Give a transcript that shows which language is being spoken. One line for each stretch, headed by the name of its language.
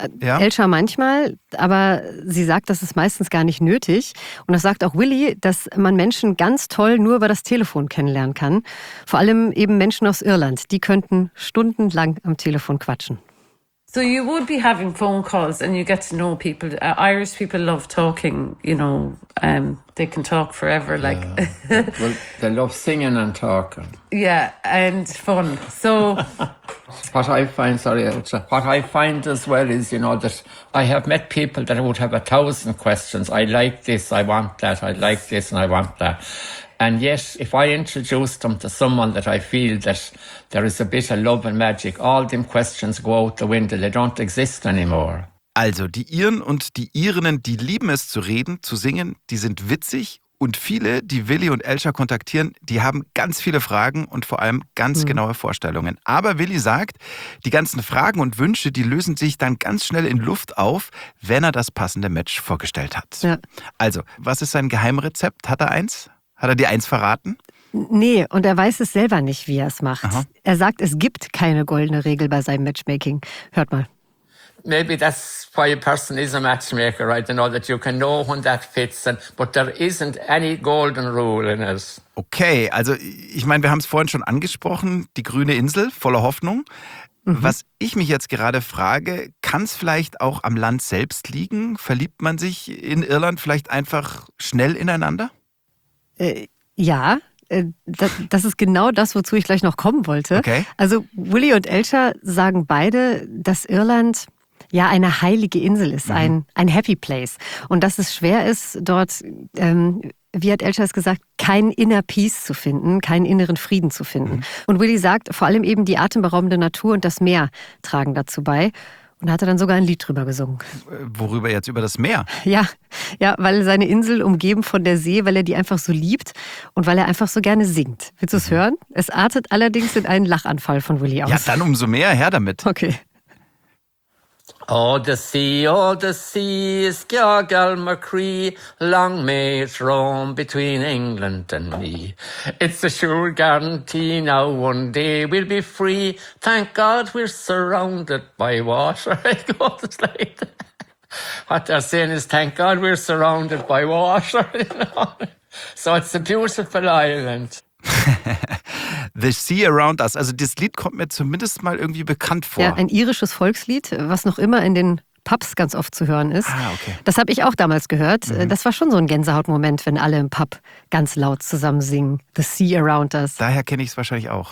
German: Elsa manchmal, aber sie sagt, das ist meistens gar nicht nötig. Und das sagt auch Willi, dass man Menschen ganz toll nur über das Telefon kennenlernen kann. Vor allem eben Menschen aus Irland, die könnten stundenlang am Telefon quatschen.
English: So you would be having phone calls and you get to know people. Irish people love talking, you know, they can talk forever. Well, they love singing and talking. Yeah, and fun. So what I find as well is, you know, that I have met people that would have 1,000 questions. I like this, I want that, I like this and I want that. And yet, if I introduce them to someone that I feel that there is a bit of love and magic, all them questions go out the window, they don't exist anymore.
German: Also, die Iren und die Irinnen, die lieben es zu reden, zu singen, die sind witzig. Und viele, die Willi und Elsa kontaktieren, die haben ganz viele Fragen und vor allem ganz genaue Vorstellungen. Aber Willi sagt, die ganzen Fragen und Wünsche, die lösen sich dann ganz schnell in Luft auf, wenn er das passende Match vorgestellt hat. Ja. Also, was ist sein Geheimrezept? Hat er eins? Hat er dir eins verraten? Nee, und er weiß es selber nicht, wie er es macht. Aha. Er sagt, es gibt keine goldene Regel bei seinem Matchmaking. Hört mal.
English: Maybe that's why a person is a matchmaker, right? You know, that you can know when that fits, but there isn't any golden rule in it.
German: Okay, also ich meine, wir haben es vorhin schon angesprochen, die grüne Insel, voller Hoffnung. Was ich mich jetzt gerade frage, kann es vielleicht auch am Land selbst liegen? Verliebt man sich in Irland vielleicht einfach schnell ineinander? Das ist genau das, wozu ich gleich noch kommen wollte. Okay. Also Willi und Elsa sagen beide, dass Irland ja eine heilige Insel ist, ein Happy Place. Und dass es schwer ist, dort, wie hat Elsa es gesagt, keinen Inner Peace zu finden, keinen inneren Frieden zu finden. Mhm. Und Willi sagt, vor allem eben die atemberaubende Natur und das Meer tragen dazu bei. Und hat er dann sogar ein Lied drüber gesungen. Worüber jetzt? Über das Meer? Ja, weil seine Insel umgeben von der See, weil er die einfach so liebt und weil er einfach so gerne singt. Willst du es hören? Es artet allerdings in einen Lachanfall von Willi aus. Ja, dann umso mehr. Her damit. Okay.
English: Oh, the sea is Gialgalmacree, long may it roam between England and me. It's a sure guarantee now one day we'll be free. Thank God we're surrounded by water. What they're saying is, thank God we're surrounded by water. So it's a beautiful island.
German: The Sea Around Us. Also das Lied kommt mir zumindest mal irgendwie bekannt vor. Ja, ein irisches Volkslied, was noch immer in den Pubs ganz oft zu hören ist. Ah, okay. Das habe ich auch damals gehört. Mhm. Das war schon so ein Gänsehautmoment, wenn alle im Pub ganz laut zusammen singen.
English: The Sea Around Us.
German: Daher kenne ich es wahrscheinlich auch.